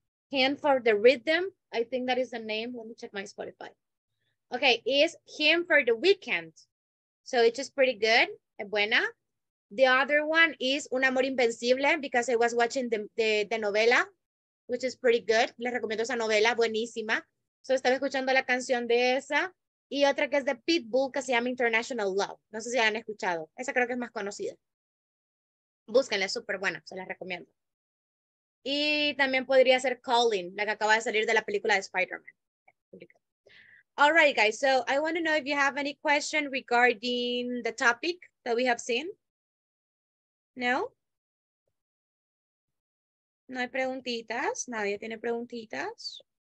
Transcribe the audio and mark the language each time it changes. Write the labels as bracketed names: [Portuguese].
[English] Hymn for the Rhythm. I think that is the name. Let me check my Spotify. Okay, it's Hymn for the Weekend. So it's just pretty good. Buena. The other one is Un Amor Invencible because I was watching the novela, which is pretty good. [Spanish] Les recomiendo esa novela, buenísima. So estaba escuchando la canción de esa. Y otra que es de Pitbull que se llama International Love. No sé si la han escuchado. Esa creo que es más conocida. Búsquenla, es súper buena. Se las recomiendo. Y también podría ser Calling, la que acaba de salir de la película de Spider-Man. [English] All right, guys. So I want to know if you have any question regarding the topic that we have seen. No? [Spanish] No hay preguntitas. Nadie tiene preguntitas.